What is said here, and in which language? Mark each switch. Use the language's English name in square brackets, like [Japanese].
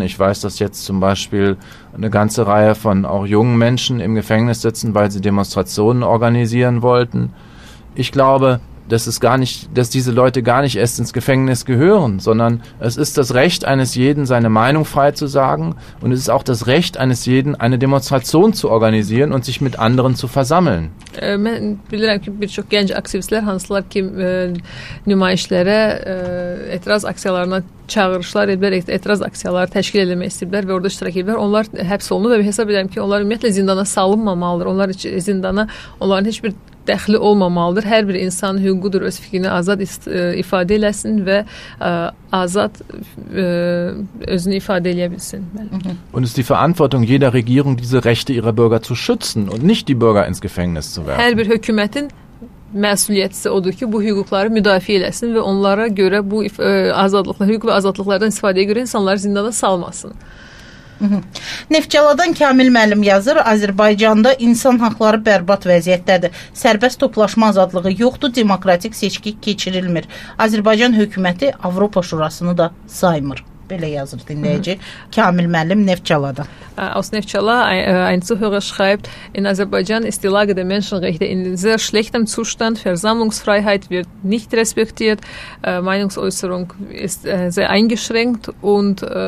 [German] Ich weiß, dass jetzt zum Beispiel eine ganze Reihe von auch jungen Menschen im Gefängnis sitzen, weil sie Demonstrationen organisieren wollten. Ich glaube, dass diese Leute gar nicht erst ins Gefängnis gehören, sondern es ist das Recht eines jeden, seine Meinung frei zu sagen, und es ist auch das Recht eines jeden, eine Demonstration zu organisieren und sich mit anderen zu versammeln. [Azerbaijani] Mən bilirəm ki, bir çox gənc aktivistlər hansılar ki, nümayişlərə, etiraz aksiyalarına çağırışlar edirlər, etiraz aksiyaları təşkil etmək istəyirlər və orada iştirak edirlər. Onlar həbs olunur və hesab edirəm ki, onlar ümumiyyətlə zindana salınmamalıdır. Onlar zindana onların heç bir dəxli olmamalıdır. Hər bir insan hüququdur öz fikrini azad ifadə eləsin və azad özünü ifadə eləyə bilsin. [German] Und ist die Verantwortung jeder Regierung, diese Rechte ihrer Bürger zu schützen und nicht die Bürger ins Gefängnis zu werfen. [Azerbaijani] Hər bir hökumətin məsuliyyəti odur ki, bu hüquqları müdafiə eləsin və onlara görə bu azadlıqla, hüquq və azadlıqlardan istifadəyə görə insanları zindana salmasın. Neftçaladan Kamil müəllim yazır, Azərbaycanda insan haqları bərbad vəziyyətdədir. Sərbəst toplaşma azadlığı yoxdur, demokratik seçki keçirilmir. Azərbaycan hökuməti Avropa Şurasını da saymır. Belə yazır dinləyici Kamil müəllim Neftçaladan. [German] Aus Neftçala ein Zuhörer schreibt, in Azerbaijan ist die Lage der Menschenrechte in sehr schlechtem Zustand, Versammlungsfreiheit wird nicht respektiert, Meinungsäußerung ist sehr eingeschränkt und